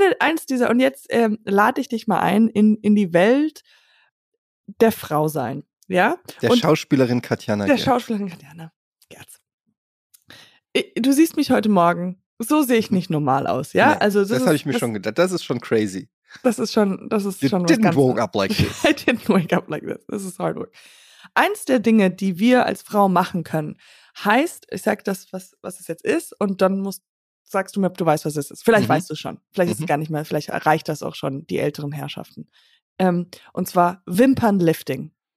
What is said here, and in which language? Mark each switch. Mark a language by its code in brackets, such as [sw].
[de] Eins dieser, und jetzt lade ich dich mal ein in die Welt der Frau sein. Ja? Schauspielerin Katjana Gerz. Du siehst mich heute Morgen, so sehe ich nicht normal aus, ja? Nee, also das habe ich mir schon gedacht, das ist schon crazy. Das ist schon was ganz... [en] I didn't wake up like this. This is hard work. [de] Eins der Dinge, die wir als Frau machen können, heißt, ich sage das, was es jetzt ist, und dann sagst du mir, ob du weißt, was es ist. Vielleicht weißt du es schon, vielleicht ist es gar nicht mehr, vielleicht erreicht das auch schon die älteren Herrschaften. Und zwar Wimpernlifting.